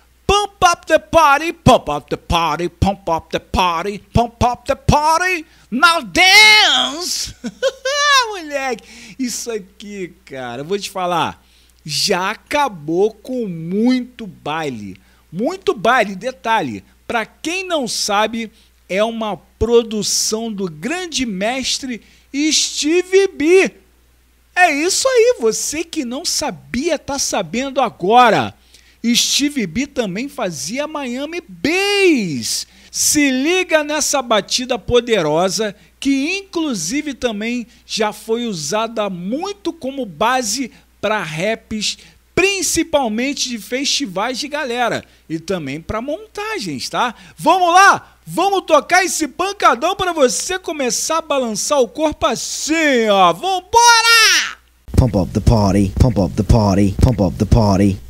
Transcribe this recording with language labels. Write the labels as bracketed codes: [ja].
[en] Pump up the party, pump up the party, pump up the party, pump up the party, now dance! [pt] Moleque, isso aqui, cara, eu vou te falar, já acabou com muito baile. Muito baile, detalhe, pra quem não sabe, é uma produção do grande mestre Steve B. É isso aí, você que não sabia, tá sabendo agora. Steve B também fazia Miami Bass. Se liga nessa batida poderosa, que inclusive também já foi usada muito como base para raps, principalmente de festivais de galera e também para montagens, tá? Vamos lá? Vamos tocar esse pancadão para você começar a balançar o corpo assim, ó. Vambora! [en] Pump up the party, pump up the party, pump up the party.